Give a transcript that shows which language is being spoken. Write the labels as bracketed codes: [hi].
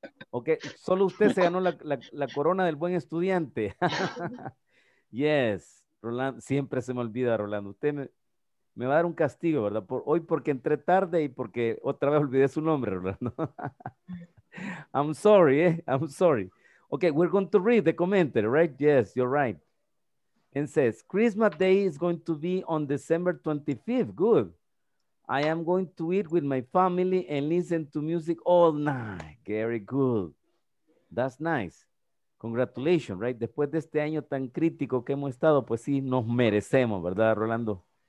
[es] Ok, solo usted se ganó la corona del buen estudiante. Yes, Rolando, siempre se me olvida, Rolando. Usted me va a dar un castigo, ¿verdad? Hoy porque entré tarde y porque otra vez olvidé su nombre, Rolando. [en] I'm sorry. Ok, we're going to read the commentary, right? Yes, you're right. And says, Christmas Day is going to be on December 25th. Good. I am going to eat with my family and listen to music all night. Very good. That's nice. Congratulations, right? [es] Después de este año tan crítico que hemos estado, pues sí, nos merecemos, ¿verdad, Rolando?